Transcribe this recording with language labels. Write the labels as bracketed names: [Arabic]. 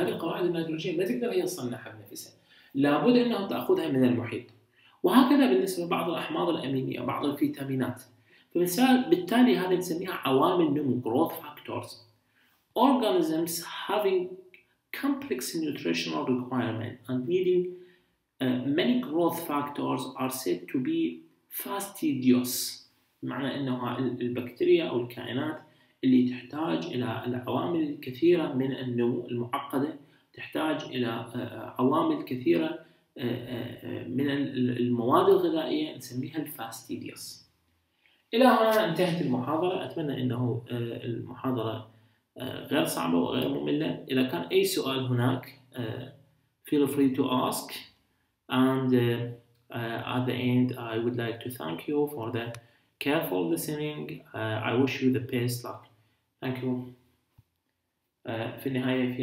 [Arabic] هذه القواعد النيتروجين ما تقدر هي تصنعها بنفسها، لابد أنها تأخذها من المحيط. وهكذا بالنسبة لبعض الأحماض الأمينية وبعض الفيتامينات. بالتالي هذه نسميها عوامل نمو، growth factors. [English] Organisms having complex nutritional requirement and needing many growth factors are said to be fastidious. [Arabic] معنى أنها البكتيريا أو الكائنات اللي تحتاج إلى العوامل الكثيرة من النمو المعقدة، تحتاج إلى عوامل كثيرة من المواد الغذائية نسميها الفاستيديوس. إلى هنا انتهت المحاضرة، أتمنى أنه المحاضرة غير صعبة وغير مملة. إذا كان أي سؤال هناك [English] feel free to ask. And at the end, I would like to thank you for the careful listening. I wish you the best luck. Thank you. [Arabic] في النهاية في